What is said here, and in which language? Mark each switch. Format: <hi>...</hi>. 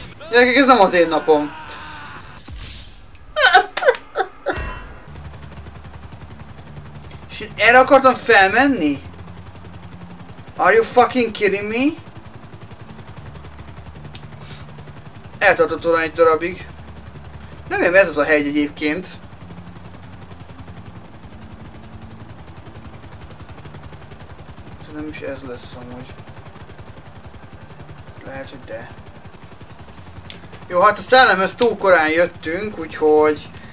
<hu>Gyerekek, ez nem az én napom. És én erre akartam felmenni?</hu> <en>Are you fucking kidding me?</en> <hu>Eltartott orra egy darabig. Nem ez az a hegy egyébként. nem is ez lesz amúgy. Lehet, hogy de. Jó, hát a szellemhez túl korán jöttünk, úgyhogy...</hu>